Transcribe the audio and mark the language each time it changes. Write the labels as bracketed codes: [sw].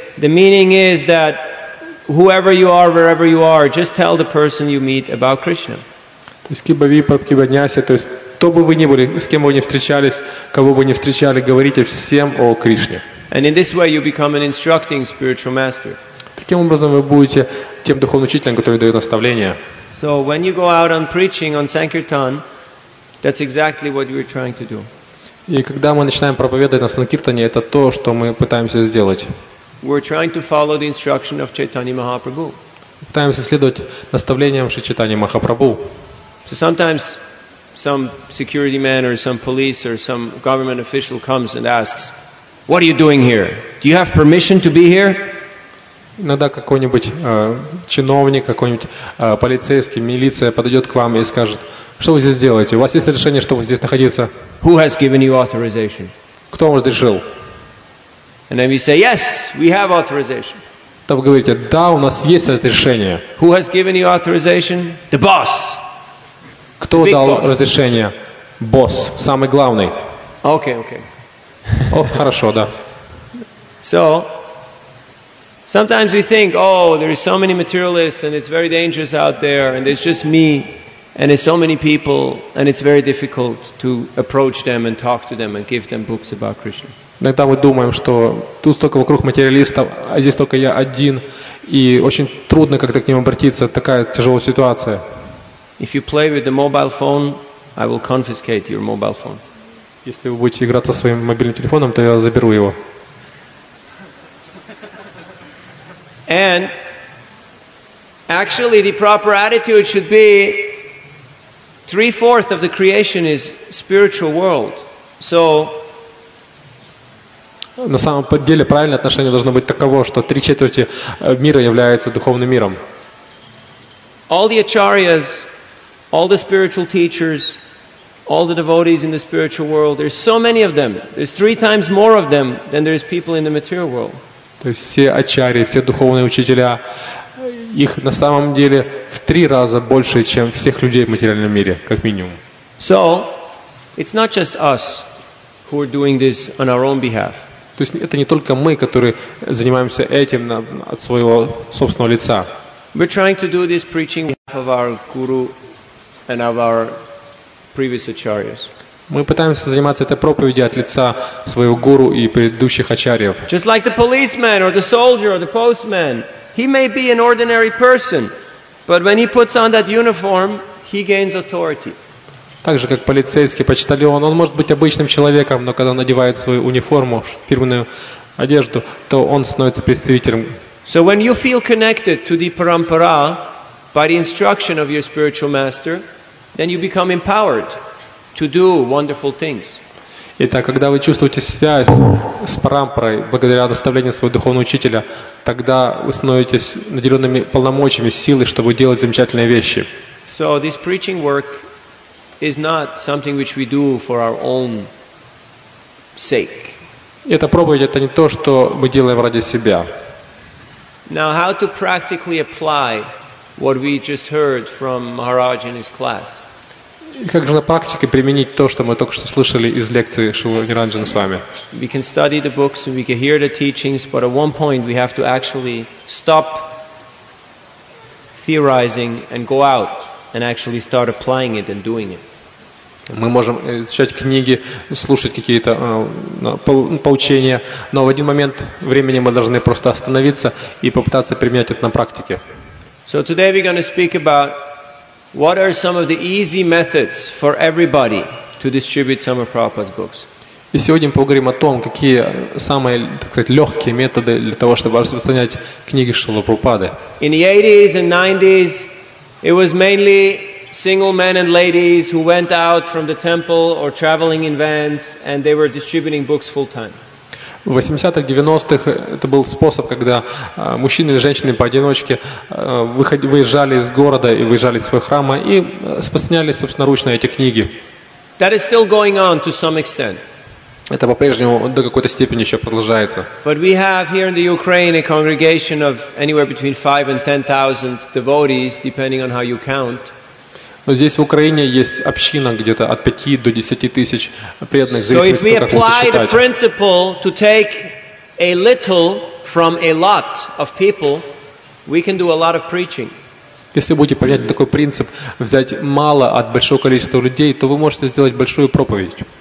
[en] The meaning is that whoever you are, wherever you are, just tell the person you meet about Krishna. [ru] То есть кибави прабхибаньяси, то есть кто бы вы ни были, с кем бы вы ни встречались, кого бы ни встречали, говорите всем о Кришне. [en] And in this way you become an instructing spiritual master. [ru] Таким образом вы будете тем духовным учителем, который дает наставления. [en] So when you go out on preaching on Sankirtan, that's exactly what you're trying to do. [ru] И когда мы начинаем проповедовать на Санкиртане, это то, что мы пытаемся сделать. [en] We're trying to follow the instruction of Chaitanya Mahaprabhu. [ru] Пытаемся следовать наставлениям Шри Чайтаньи Махапрабху. [en] So sometimes some security man or some police or some government official comes and asks, "What are you doing here? Do you have permission to be here?" [ru] Иногда какой-нибудь чиновник, какой-нибудь полицейский, милиция подойдет к вам и скажет, "Что вы здесь делаете? У вас есть разрешение, чтобы здесь находиться?" [en] Who has given you authorization? [ru] Кто вам разрешил? [en] And then we say, "Yes, we have authorization." [ru] Там вы говорите, "Да, у нас есть разрешение." [en] Who has given you authorization? The boss. [ru] Кто дал разрешение? Босс, самый главный. [en] Okay. [ru] О, хорошо, да. [en] So, sometimes we think, oh, there is so many materialists and it's very dangerous out there and it's just me and it's so many people and it's very difficult to approach them and talk to them and give them books about Krishna. [ru] Иногда мы думаем, что тут столько вокруг материалистов, а здесь только я один и очень трудно как-то к ним обратиться, такая тяжелая ситуация. [en] If you play with the mobile phone, I will confiscate your mobile phone. [ru] Если вы будете играть со своим мобильным телефоном, то я заберу его. [en] And actually, the proper attitude should be 3/4 of the creation is spiritual world. So. [ru] На самом деле, правильное отношение должно быть таково, что 3/4 мира является духовным миром. [en] All the acharyas, all the spiritual teachers, all the devotees in the spiritual world, there's so many of them. There's 3 times more of them than there's people in the material world. [ru] То есть все ачарьи, все духовные учителя, их на самом деле в 3 раза больше, чем всех людей в материальном мире, как минимум. [en] So, it's not just us who are doing this on our own behalf. [ru] То есть это не только мы, которые занимаемся этим от своего собственного лица. [en] We're trying to do this preaching on behalf of our guru and of our previous acharyas. [ru] Мы пытаемся заниматься этой проповедью от лица своего гуру и предыдущих ачарьев. [en] Just like the policeman or the soldier or the postman, he may be an ordinary person, but when he puts on that uniform, he gains authority. [ru] Так же как полицейский, почтальон, он может быть обычным человеком, но когда он надевает свою униформу, фирменную одежду, то он становится представителем. [en] So when you feel connected to the parampara by the instruction of your spiritual master, then you become empowered to do wonderful things. [ru] Итак, когда вы чувствуете связь с парампрой благодаря наставлению своего духовного учителя, тогда вы становитесь наделенными полномочиями, силой, чтобы делать замечательные вещи. [en] So this preaching work is not something which we do for our own sake. [ru] Это проповедь, это не то, что мы делаем ради себя. [en] Now, how to practically apply what we just heard from Maharaj in his class? [ru] Как же на практике применить то, что мы только что слышали из лекции Шрилы Ниранджана с вами? [en] We can study the books and we can hear the teachings, but at one point we have to actually stop theorizing and go out and actually start applying it and doing it. [ru] Мы можем изучать книги, слушать какие-то поучения, но в один момент времени мы должны просто остановиться и попытаться применять это на практике. [en] So today we're going to speak about what are some of the easy methods for everybody to distribute some of Prabhupada's books. [ru] И сегодня мы поговорим о том, какие самые, так сказать, легкие методы для того, чтобы распространять книги Шрилы Прабхупады. [en] In the 80s and 90s, it was mainly single men and ladies who went out from the temple or traveling in vans, and they were distributing books full time. [ru] В 80-х, 90-х это был способ, когда мужчины или женщины поодиночке выезжали из города и выезжали из своего храма и распространяли собственноручно эти книги. [en] That is still going on to some extent. [ru] Это по-прежнему до какой-то степени еще продолжается. [en] But we have here in the Ukraine a congregation of anywhere between 5,000 and 10,000 devotees, depending on how you count. [ru] Но здесь в Украине есть община где-то от 5 до 10 тысяч преданных, зависит от того, как это считать. [en] The principle to take a little from a lot of people, we can do a lot of preaching. [ru] Если будете понять такой принцип, взять мало от большого количества людей, то вы можете сделать большую проповедь.